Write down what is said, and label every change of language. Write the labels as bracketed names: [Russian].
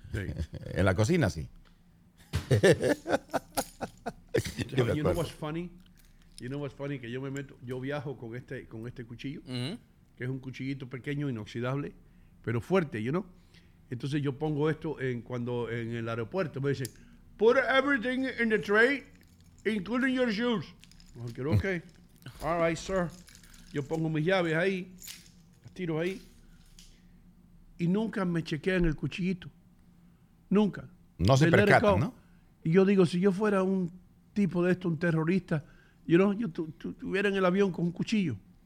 [Spanish] Sí. ¿En la cocina, sí? Yo [English] you know what's funny? [Spanish] You know what's funny? Que yo me meto, yo viajo con este cuchillo, que es un cuchillito pequeño, inoxidable, pero fuerte, [English] you know? [Spanish] Entonces yo pongo esto en cuando en el aeropuerto. Me dicen, [English] put everything in the tray, including your shoes. Okay. All right, sir. [Spanish] Yo pongo mis llaves ahí, las tiro ahí. Y nunca me chequean el cuchillito. Nunca. No se percatan, ¿no? Y yo digo, si yo fuera un tipo de esto, un terrorista, [English] you know, [Spanish] yo estuviera en el avión con un cuchillo.